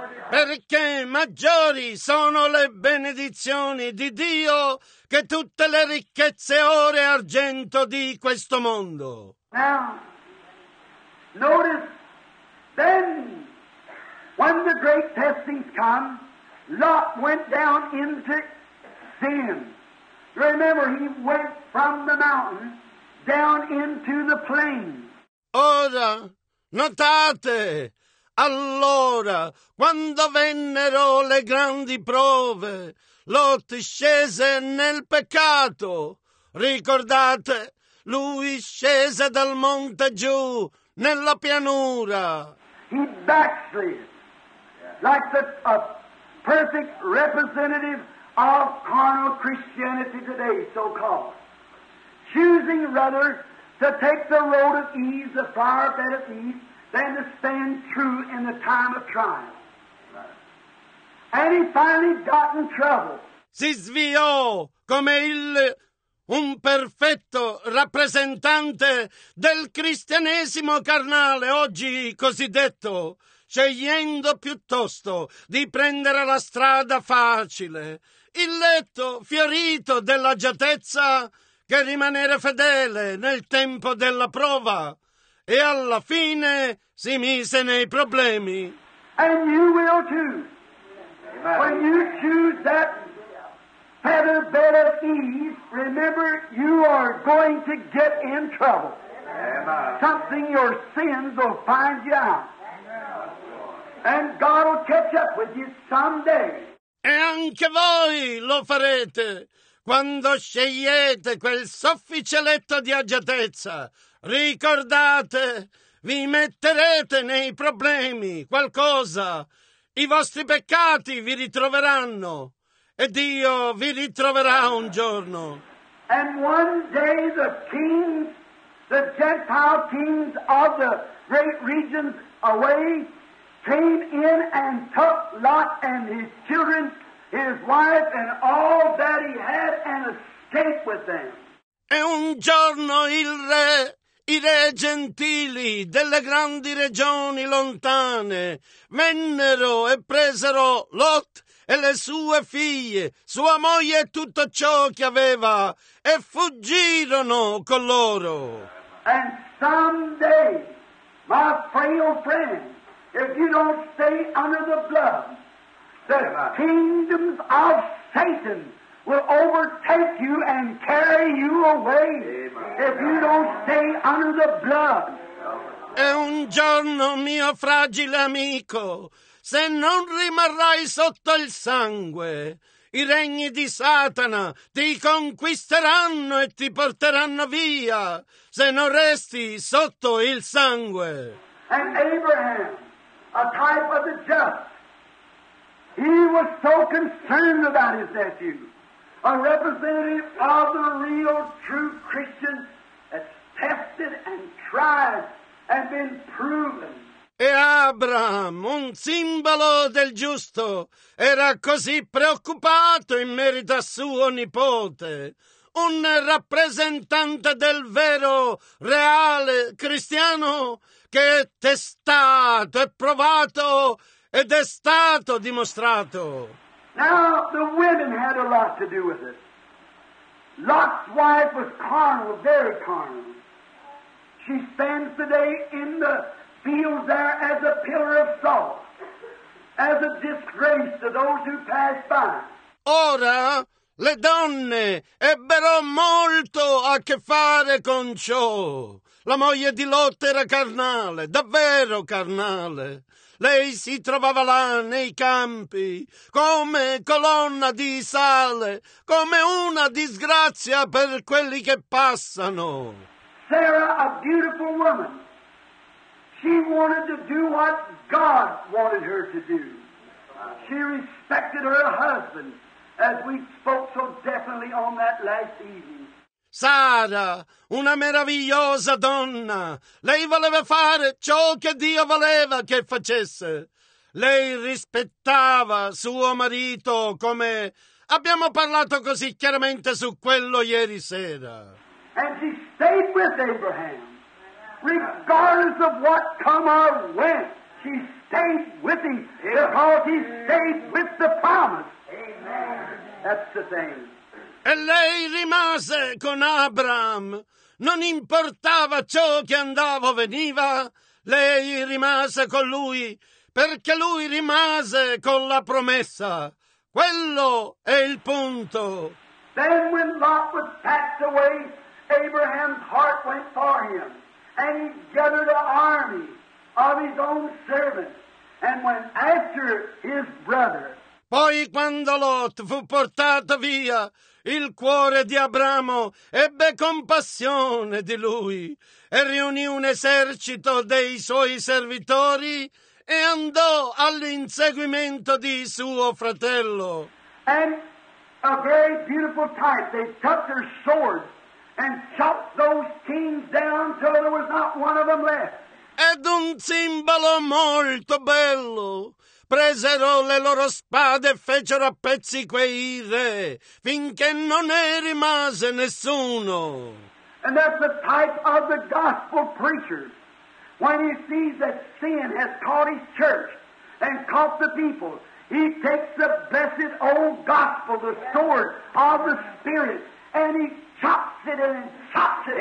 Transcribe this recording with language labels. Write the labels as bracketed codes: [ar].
[it] Perché maggiori sono le benedizioni di Dio che tutte le ricchezze, oro e argento di questo mondo. [en] Now, notice, then, when the great testings come, Lot went down into sin. Remember, he went from the mountain down into the plain. [it] Ora, notate, allora, quando vennero le grandi prove, Lot scese nel peccato. Ricordate, lui scese dal monte giù, nella pianura. [en] He backslid, like a perfect representative of carnal Christianity today, so-called. Choosing rather to take the road of ease, the fire bed of ease, than to stand true in the time of trial. And he finally got in trouble. [it] Si sviò come un perfetto rappresentante del cristianesimo carnale, oggi cosiddetto. scegliendo piuttosto di prendere la strada facile, il letto fiorito dell'agiatezza, che rimanere fedele nel tempo della prova. E alla fine si mise nei problemi. [en] And you will too. When you choose that feather bed of ease, remember you are going to get in trouble. Something your sins will find you out. And God will catch up with you someday. [it] E anche voi lo farete quando scegliete quel soffice letto di agiatezza. Ricordate, vi metterete nei problemi qualcosa. I vostri peccati vi ritroveranno e Dio vi ritroverà un giorno. [en] And one day the kings, the Gentile kings of the great regions away, came in and took Lot and his children, his wife and all that he had, and escaped with them. [it] E un giorno il re, i re gentili delle grandi regioni lontane vennero e presero Lot e le sue figlie, sua moglie e tutto ciò che aveva, e fuggirono con loro. [en] And someday, my frail friend, if you don't stay under the blood, the kingdoms of Satan will overtake you and carry you away. Amen. If you don't stay under the blood. [it] E un giorno, mio fragile amico, se non rimarrai sotto il sangue, i regni di Satana ti conquisteranno e ti porteranno via, se non resti sotto il sangue. [en] And Abraham, a type of the just, he was so concerned about his nephew, a representative of the real, true Christian that's tested and tried and been proven. [it] E Abraham, un simbolo del giusto, era così preoccupato in merito a suo nipote, un rappresentante del vero, reale cristiano, che è testato, è provato ed è stato dimostrato. [en] Now the women had a lot to do with it. Lot's wife was carnal, very carnal. She stands today in the fields there as a pillar of salt, as a disgrace to those who pass by. [it] Ora le donne ebbero molto a che fare con ciò. La moglie di Lot era carnale, davvero carnale. Lei si trovava là nei campi come colonna di sale, come una disgrazia per quelli che passano. [en] Sarah, a beautiful woman, she wanted to do what God wanted her to do. She respected her husband, as we spoke so definitely on that last evening. [it] Sara, una meravigliosa donna, lei voleva fare ciò che Dio voleva che facesse. Lei rispettava suo marito come abbiamo parlato così chiaramente su quello ieri sera. [en] And she stayed with Abraham, regardless of what come or went. She stayed with him because he stayed with the promise. That's the thing. [it] E lei rimase con Abraham. Non importava ciò che andava o veniva, lei rimase con lui, perché lui rimase con la promessa. Quello è il punto. [en] Then when Lot was passed away, Abraham's heart went for him, and he gathered an army of his own servants, and went after his brother. [it] Poi quando Lot fu portato via, il cuore di Abramo ebbe compassione di lui e riunì un esercito dei suoi servitori e andò all'inseguimento di suo fratello. [en] And a very beautiful type, they took their swords and chopped those kings down till there was not one of them left. [it] Ed un simbolo molto bello. Presero le loro spade e fecero a pezzi quei re, finché non ne rimase nessuno. [en] And that's the type of the gospel preachers. When he sees that sin has caught his church and caught the people, he takes the blessed old gospel, the sword of the Spirit, and he chops it and chops it.